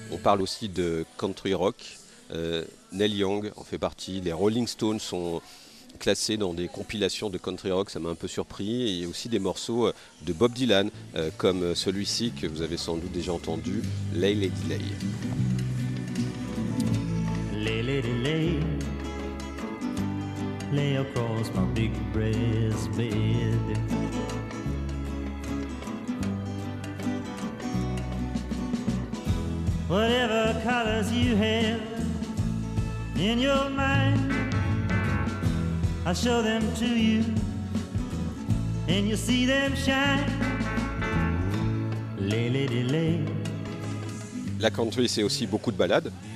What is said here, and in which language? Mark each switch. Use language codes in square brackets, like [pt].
[fr] On parle aussi de country rock. Neil Young en fait partie. Les Rolling Stones sont classés dans des compilations de country rock, ça m'a un peu surpris. Et il y a aussi des morceaux de Bob Dylan, comme celui-ci que vous avez sans doute déjà entendu, Lay Lady Lay. [en] Lay, lady, lay, lay across my big breast bed. Whatever colors you have in your mind, I show them to you, and you see them shine. Lay, lady, lay. [fr] La country, c'est aussi beaucoup de balades.